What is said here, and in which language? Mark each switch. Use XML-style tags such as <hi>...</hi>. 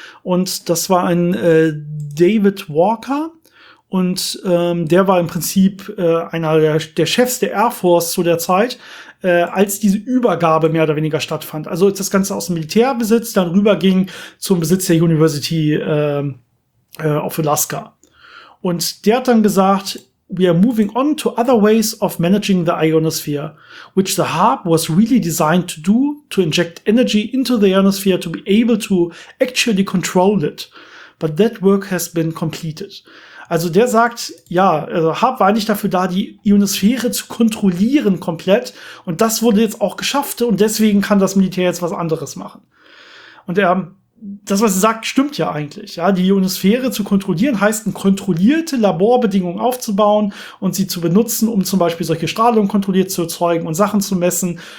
<de>Und das war ein David Walker, und der war im Prinzip einer der Chefs der Air Force zu der Zeit, als diese Übergabe mehr oder weniger stattfand. Also als das Ganze aus dem Militärbesitz dann rüberging zum Besitz der University auf Alaska. Und der hat dann gesagt,</de> <en>we are moving on to other ways of managing the ionosphere, which the HAARP was really designed to do, to inject energy into the ionosphere to be able to actually control it. But that work has been completed.</en> <de>Also der sagt, ja, also HAARP war eigentlich dafür da, die Ionosphäre zu kontrollieren komplett. Und das wurde jetzt auch geschafft. Und deswegen kann das Militär jetzt was anderes machen. Und er, das, was er sagt, stimmt ja eigentlich. Ja, die Ionosphäre zu kontrollieren heißt, eine kontrollierte Laborbedingungen aufzubauen und sie zu benutzen, um zum Beispiel solche Strahlung kontrolliert zu erzeugen und Sachen zu messen.</de>